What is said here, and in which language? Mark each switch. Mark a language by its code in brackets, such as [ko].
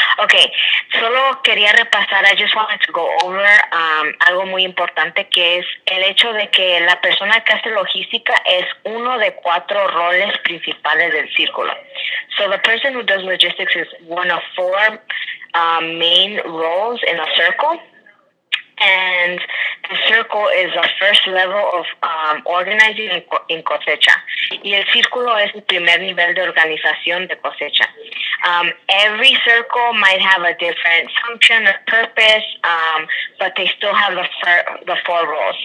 [es] Okay, solo quería repasar, I just wanted to go over algo muy importante, que es el hecho de que la persona que hace logística es uno de cuatro roles principales del círculo. [en] So the person who does logistics is one of four main roles in a circle. And the circle is the first level of organizing in Cosecha. [es] Y el círculo es el primer nivel de organización de Cosecha. [en] Every circle might have a different function or purpose, but they still have the four roles.